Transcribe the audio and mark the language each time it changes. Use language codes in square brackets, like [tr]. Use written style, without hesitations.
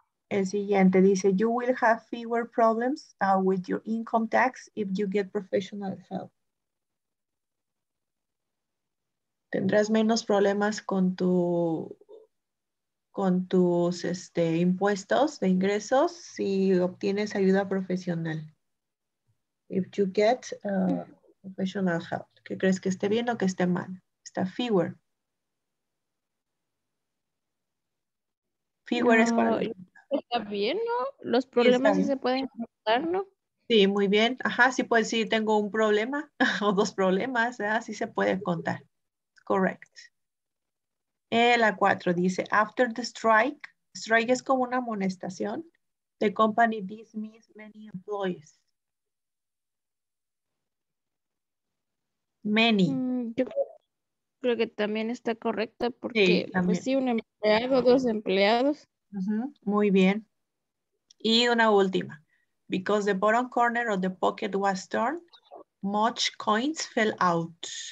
[es] El siguiente dice, [en] you will have fewer problems with your income tax if you get professional help. [es] Tendrás menos problemas con tus impuestos de ingresos si obtienes ayuda profesional. [en] If you get professional help. [es] ¿Qué crees, que esté bien o que esté mal? Está fewer. Fewer es cuando... Está bien, ¿no? Los problemas sí se pueden juntar, ¿no? Sí, muy bien. Ajá, sí, pues sí, tengo un problema o dos problemas, ¿eh? Sí se puede contar. Correct. La 4 dice, [en] after the strike [es] es como una amonestación, [en] the company dismissed many employees. [es] Many. Yo creo que también está correcta porque sí, un empleado, dos empleados. Uh-huh. Muy bien. Y una última. [en] Because the bottom corner of the pocket was torn, much coins fell out.